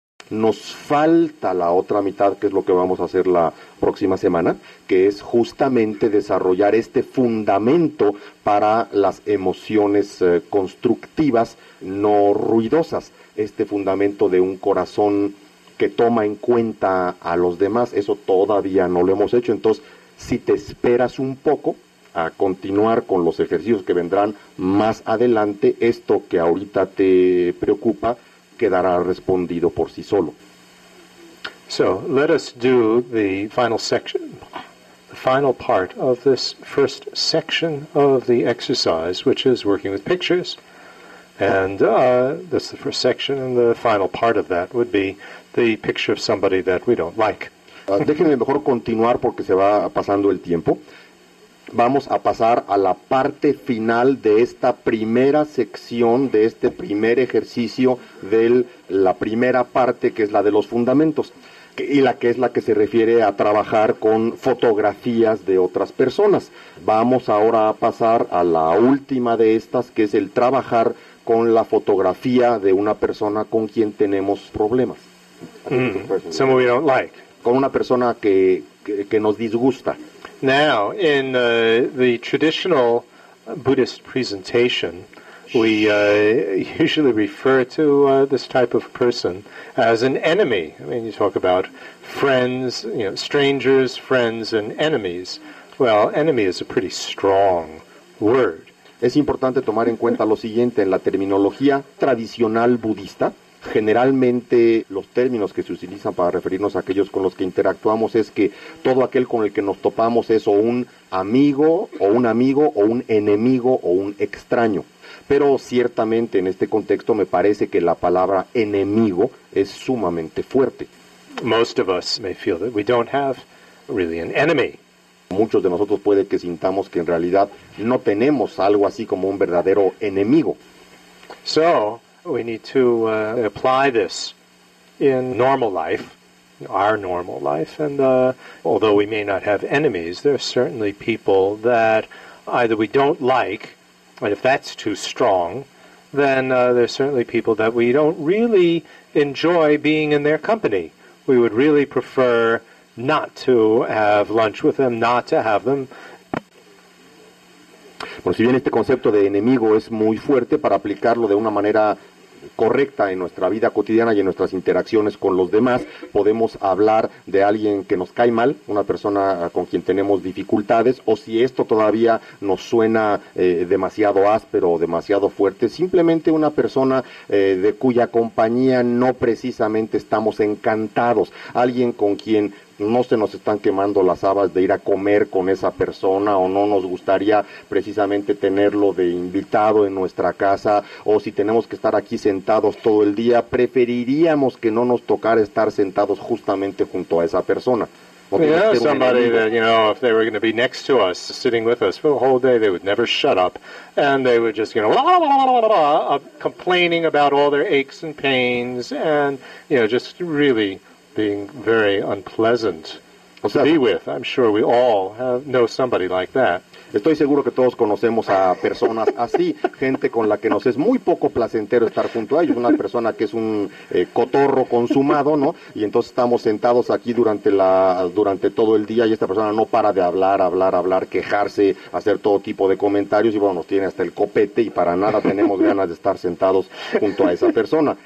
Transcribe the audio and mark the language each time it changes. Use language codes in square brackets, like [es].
[es] nos falta la otra mitad, que es lo que vamos a hacer la próxima semana, que es justamente desarrollar este fundamento para las emociones constructivas, no ruidosas, este fundamento de un corazón que toma en cuenta a los demás. Eso todavía no lo hemos hecho. Entonces, si te esperas un poco a continuar con los ejercicios que vendrán más adelante, esto que ahorita te preocupa quedará respondido por sí solo. [en] So, let us do the final section, the final part of this first section of the exercise, which is working with pictures. And that's the first section, and the final part of that would be the picture of somebody that we don't like. [es] Déjenme mejor continuar porque se va pasando el tiempo. Vamos a pasar a la parte final de esta primera sección, de este primer ejercicio de la primera parte, que es la de los fundamentos, y la que es la que se refiere a trabajar con fotografías de otras personas. Vamos ahora a pasar a la última de estas, que es el trabajar con la fotografía de una persona con quien tenemos problemas. [en] Someone we don't like. [es] Con una persona que nos disgusta. [en] Now, in the traditional Buddhist presentation, we usually refer to this type of person as an enemy. I mean, you talk about friends, you know, strangers, friends, and enemies. Well, enemy is a pretty strong word. [es] Es importante tomar en cuenta lo siguiente en la terminología tradicional budista. Generalmente los términos que se utilizan para referirnos a aquellos con los que interactuamos es que todo aquel con el que nos topamos es o un amigo o un enemigo o un extraño. Pero ciertamente en este contexto me parece que la palabra enemigo es sumamente fuerte. [en] Most of us may feel that we don't have really an enemy. [es] Muchos de nosotros puede que sintamos que en realidad no tenemos algo así como un verdadero enemigo. [en] So we need to apply this in normal life, our normal life, and although we may not have enemies, there are certainly people that either we don't like, and if that's too strong, then there are certainly people that we don't really enjoy being in their company. We would really prefer not to have lunch with them, not to have them. [es] Bueno, si bien este concepto de enemigo es muy fuerte para aplicarlo de una manera correcta en nuestra vida cotidiana y en nuestras interacciones con los demás, podemos hablar de alguien que nos cae mal, una persona con quien tenemos dificultades, o si esto todavía nos suena demasiado áspero o demasiado fuerte, simplemente una persona de cuya compañía no precisamente estamos encantados, alguien con quien no se nos están quemando las habas de ir a comer con esa persona, o no nos gustaría precisamente tenerlo de invitado en nuestra casa, o si tenemos que estar aquí sentados todo el día, preferiríamos que no nos tocara estar sentados justamente junto a esa persona. [en] If they were going to be next to us, sitting with us for the whole day, they would never shut up, and they would just, you know, blah, blah, blah, blah, blah, blah, complaining about all their aches and pains, and, you know, just really being very unpleasant to be with. I'm sure we all know somebody like that. [es] Estoy seguro que todos conocemos a personas así, gente con la que nos es muy poco placentero estar junto a ellos, una persona que es un cotorro consumado, ¿no? Y entonces estamos sentados aquí durante todo el día y esta persona no para de hablar, quejarse, hacer todo tipo de comentarios y bueno, nos tiene hasta el copete y para nada tenemos ganas de estar sentados junto a esa persona.